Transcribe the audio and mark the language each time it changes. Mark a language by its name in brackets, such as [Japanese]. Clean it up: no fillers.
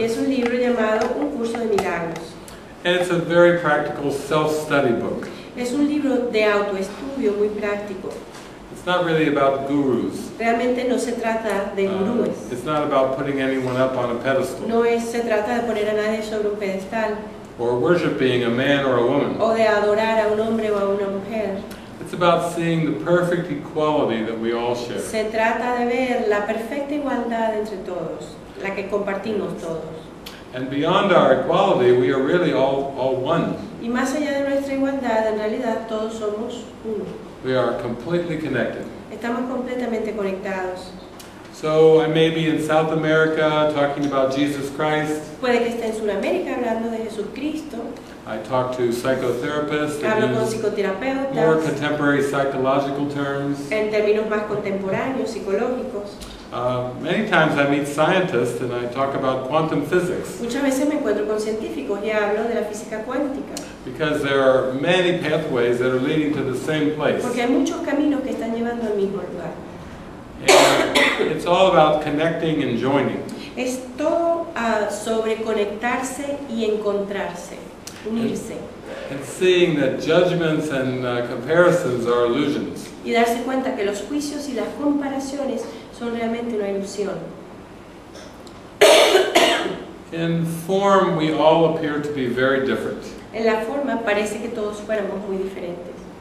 [Spanish] Y es un libro llamado Un Curso de Milagros. [English] And it's a very practical self-study book. [Spanish] Es un libro de autoestudio muy práctico. [English] It's not really about gurus. [Spanish] Realmente no se trata de gurús. [English] It's not about putting anyone up on a pedestal. [Spanish] No es, se trata de poner a nadie sobre un pedestal. [English] Or worshiping a man or a woman. [Spanish] O de adorar a un hombre o a una mujer. [English] It's about seeing the perfect equality that we all share. [Spanish] Se trata de ver la perfecta igualdad entre todos, la que compartimos todos. [English] And beyond our equality, we are really all one. [Spanish] Y más allá de nuestra igualdad, en realidad todos somos uno. [English] We are completely connected. [Spanish] Estamos completamente conectados. [English] So I may be in South America talking about Jesus Christ. [Spanish] Puede que esté en Sudamérica hablando de Jesucristo. [English] I talk to psychotherapists. [Spanish] Hablo con psicoterapeutas. [English] More contemporary psychological terms. [Spanish] En términos más contemporáneos psicológicos. [English] Many times I meet scientists and I talk about quantum physics. [Spanish] Muchas veces me encuentro con científicos y hablo de la física cuántica. [English] Because there are many pathways that are leading to the same place. [Spanish] Porque hay muchos caminos que están llevando al mismo lugar. [English] And it's all about connecting and joining. [Spanish] Es todo sobre conectarse y encontrarse, unirse. [English] And seeing that judgments and comparisons are illusions. [Spanish] Y darse cuenta que los juicios y las comparaciones son realmente una ilusión. [English] In form, we all appear to be very different. [Spanish] En la forma parece que todos fuéramos muy diferentes.